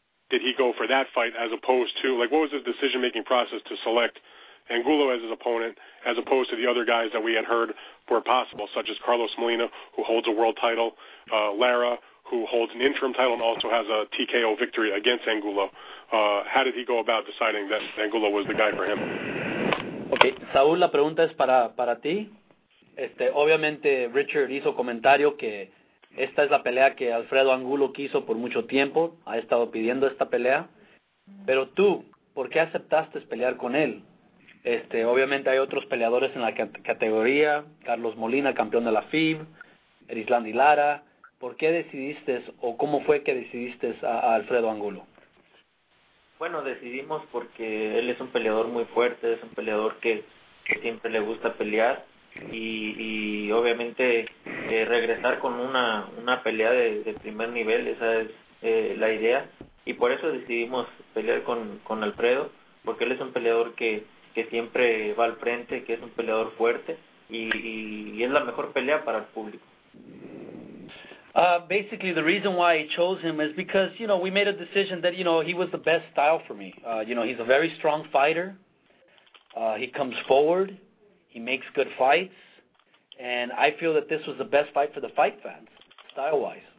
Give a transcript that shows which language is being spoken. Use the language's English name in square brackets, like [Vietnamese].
[English] Did he go for that fight as opposed to, like, what was his decision-making process to select Angulo as his opponent, as opposed to the other guys that we had heard were possible, such as Carlos Molina, who holds a world title, Lara, who holds an interim title and also has a TKO victory against Angulo. How did he go about deciding that Angulo was the guy for him? [Spanish] Okay, Saúl, la pregunta es para ti. Obviamente, Richard hizo comentario que esta es la pelea que Alfredo Angulo quiso por mucho tiempo, ha estado pidiendo esta pelea, pero tú, ¿por qué aceptaste pelear con él? Obviamente hay otros peleadores en la categoría, Carlos Molina, campeón de la FIB, Erislandy Lara. ¿Por qué decidiste o cómo fue que decidiste a Alfredo Angulo? Bueno, decidimos porque él es un peleador muy fuerte, es un peleador que siempre le gusta pelear y obviamente regresar con una pelea de primer nivel, esa es la idea. Y por eso decidimos pelear con Alfredo, porque él es un peleador que siempre va al frente, que es un peleador fuerte, y es la mejor pelea para el público. [English] Basically, the reason why I chose him is because, you know, we made a decision that, you know, he was the best style for me. You know, he's a very strong fighter. He comes forward. He makes good fights. And I feel that this was the best fight for the fight fans, style-wise.